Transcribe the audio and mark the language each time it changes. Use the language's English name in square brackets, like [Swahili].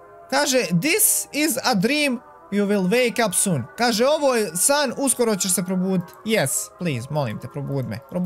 [English] Kaže, this is a dream, you will wake up soon. [Croatian] Kaže, ovo je san, uskoro ćeš se probuditi. [English] Yes, please, [Croatian] molim te, probud me.